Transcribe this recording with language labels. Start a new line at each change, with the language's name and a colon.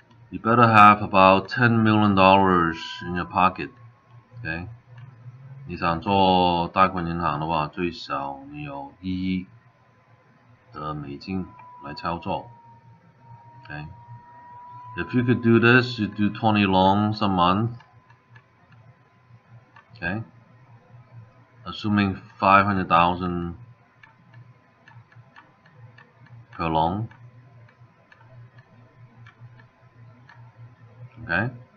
English: You better have about $10 million in your pocket, okay?
Chinese: 你想做贷款银行的话, 最少你有1亿的美金来操作, okay?
English: If you could do this, you do 20 loans a month, okay? Assuming 500,000 per loan, okay?